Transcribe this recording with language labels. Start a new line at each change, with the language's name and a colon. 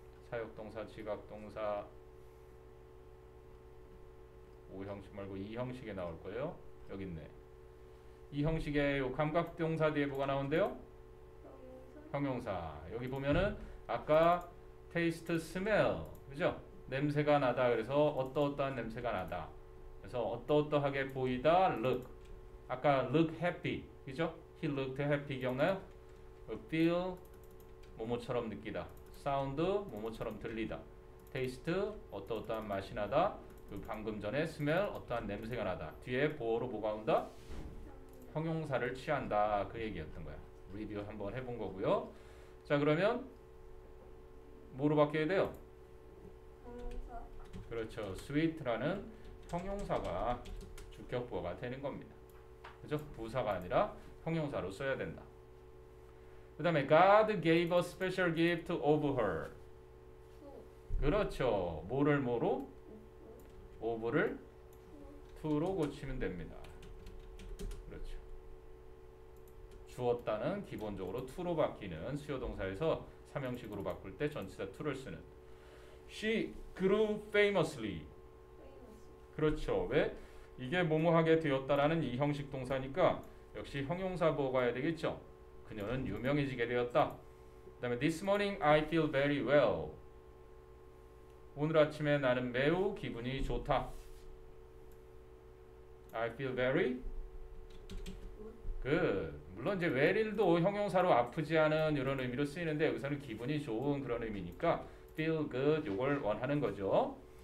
Korean: 사역동사, 지각동사 5형식 말고 2형식에 나올 거예요. 여기 있네. 2형식에 요 감각동사 뒤에 뭐가 나온대요? 형용사. 여기 보면은 아까 taste smell 그죠? 냄새가 나다. 그래서 어떠어떠한 냄새가 나다. 그래서 어떠어떠하게 보이다.
English: look
Korean: 아까
English: look happy
Korean: 그죠?
English: he looked happy
Korean: 기억나요? feel 뭐뭐처럼 느끼다. 사운드 뭐뭐처럼 들리다. 테이스트 어떠어떠한 맛이 나다. 그 방금 전에 스멜 어떠한 냄새가 나다. 뒤에 보어로 뭐가 온다? 형용사를 취한다. 그 얘기였던 거야. 리뷰 한번 해본 거고요. 자 그러면 뭐로 바뀌어야 돼요? 그렇죠. 스위트라는 형용사가 주격 보어가 되는 겁니다. 그죠? 부사가 아니라 형용사로 써야 된다. 그 다음에
English: God gave a special gift of her.
Korean: 그렇죠. 뭐를 뭐로? of를 to로 고치면 됩니다. 그렇죠. 주었다는 기본적으로 to로 바뀌는 수요동사에서 삼형식으로 바꿀 때 전치사 to를 쓰는
English: She grew famously.
Korean: 그렇죠. 왜? 이게 뭐뭐하게 되었다라는 이 형식 동사니까 역시 형용사 보호가야 되겠죠. 그녀는 유명해지게 되었다. 그 다음에
English: This morning I feel very well.
Korean: 오늘 아침에 나는 매우 기분이 좋다.
English: I feel very good.
Korean: 물론 이제 very도 형용사로 아프지 않은 이런 의미로 쓰이는데 여기서는 기분이 좋은 그런 의미니까 feel good 이걸 원하는 거죠.